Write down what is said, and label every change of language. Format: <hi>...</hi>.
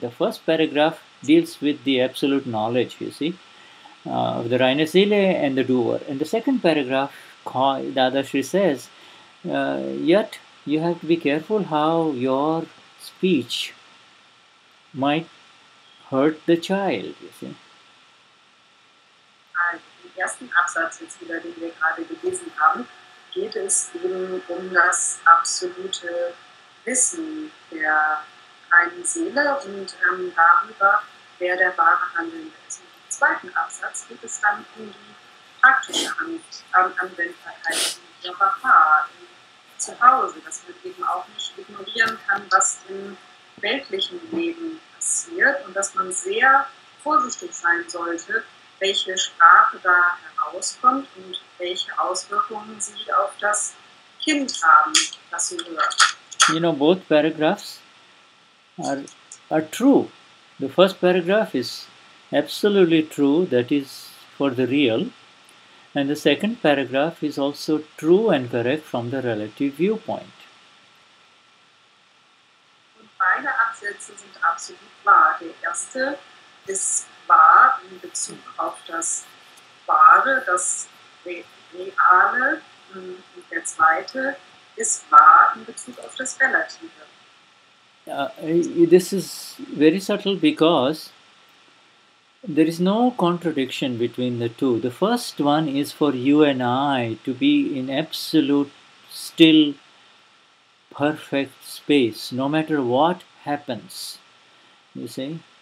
<en>The first paragraph deals with the absolute knowledge, you see. The Rhinocele and the doer. And the second paragraph, Dadashri says, yet you have to be careful how your speech might hurt the child, you see.</en> <de>Im ersten Absatz, jetzt wieder, den wir gerade gelesen haben, geht es eben um das absolute Wissen der reinen Seele und darüber, wer der wahre Handelnde ist. Im zweiten Absatz geht es dann um die praktische Anwendbarkeit im Körper, im Zuhause, dass man eben auch nicht ignorieren kann, was im weltlichen Leben passiert und dass man sehr vorsichtig sein sollte, welche Sprache da herauskommt und welche Auswirkungen sie auf das Kind haben, das sie hört.</de> <en>You know, both paragraphs are true. The first paragraph is absolutely true, that is for the real, and the second paragraph is also true and correct from the relative viewpoint.</en> <de>Und beide Absätze sind absolut wahr. Der erste ist wahr in Bezug auf das Wahre, das Reale, und der zweite ist wahr in Bezug auf das Relative.</de> <en>This is very subtle because there is no contradiction between the two. The first one is for you and I to be in absolute, still, perfect space, no matter what happens, you see.</en>